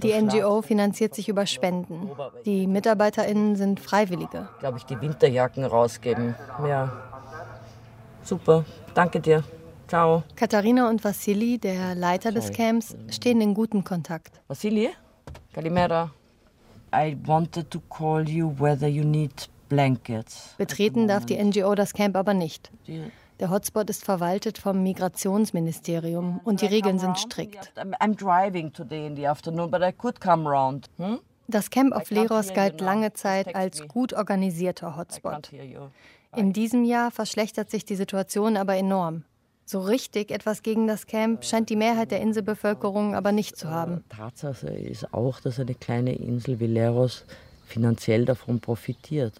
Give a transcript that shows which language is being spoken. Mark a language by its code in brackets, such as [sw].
[de] die NGO finanziert sich über Spenden. Die MitarbeiterInnen sind Freiwillige. Glaube ich, die Winterjacken rausgeben. Ja, super. Danke dir. Ciao. Katharina und Vassili, der Leiter des Camps, stehen in gutem Kontakt. [el] Vassili? Kalimera. [en] I wanted to call you whether you need blankets. [de] Betreten darf die NGO das Camp aber nicht. Der Hotspot ist verwaltet vom Migrationsministerium und die Regeln sind strikt. [en] I'm driving today in the afternoon, but I could come round. [de] Das Camp auf Leros galt lange Zeit als gut organisierter Hotspot. In diesem Jahr verschlechtert sich die Situation aber enorm. So richtig etwas gegen das Camp scheint die Mehrheit der Inselbevölkerung aber nicht zu haben. Tatsache ist auch, dass eine kleine Insel wie Leros finanziell davon profitiert.